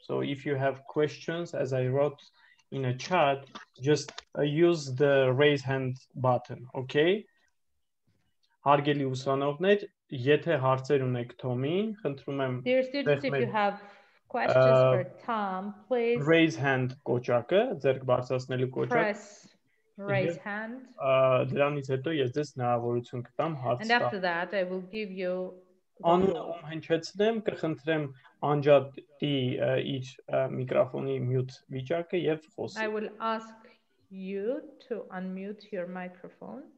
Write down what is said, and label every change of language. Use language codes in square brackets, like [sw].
[en] So if you have questions, as I wrote in a chat, just use the raise hand button, okay? [hy] Հարգելի ուսանողներ, եթե հարցեր ունեք Թոմին, խնդրում եմ. [en] Dear students, if you have questions for Tom, please [hy] raise hand կոճակը, ձեռք բարձրացնելու կոճակը. [en] Press raise hand. [hy] Դրանից հետո ես ձեզ հնարավորություն կտամ հարց տալ. [en] And after that, I will give you [hy] անունը հնչեցնեմ, կխնդրեմ անջատի իր միկրոֆոնի մյութ վիճակը եւ խոսի։ [en] I will ask you to unmute your microphone.